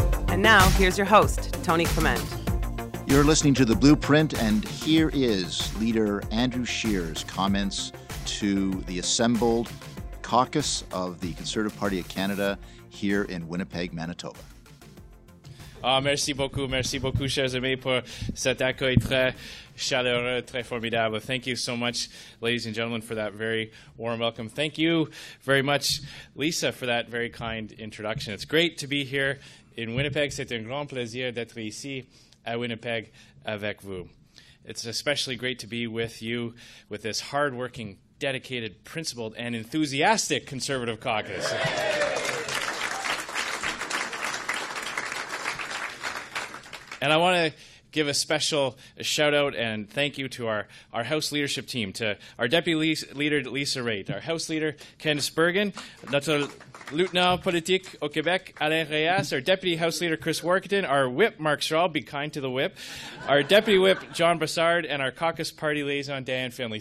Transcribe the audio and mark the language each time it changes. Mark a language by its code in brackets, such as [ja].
[en] And now, here's your host, Tony Clement. You're listening to The Blueprint, and here is Leader Andrew Scheer's comments to the assembled caucus of the Conservative Party of Canada here in Winnipeg, Manitoba. [fr] Merci beaucoup, chers amis, pour cet accueil très chaleureux, très formidable. [en] Thank you so much, ladies and gentlemen, for that very warm welcome. Thank you very much, Lisa, for that very kind introduction. It's great to be here in Winnipeg. [fr] C'est un grand plaisir d'être ici à Winnipeg avec vous. [en] It's especially great to be with you, with this hardworking, dedicated, principled, and enthusiastic Conservative caucus. And I want to give a special shout-out and thank you to our House leadership team, to our Deputy Leader Lisa Raitt, our House Leader Candice Bergen, [fr] notre lieutenant politique au Québec [en] Alain Reyes, our Deputy House Leader Chris Warkentin, our Whip Mark Strahl, be kind to the Whip, our Deputy Whip John Brassard, and our Caucus Party Liaison Diane Finley.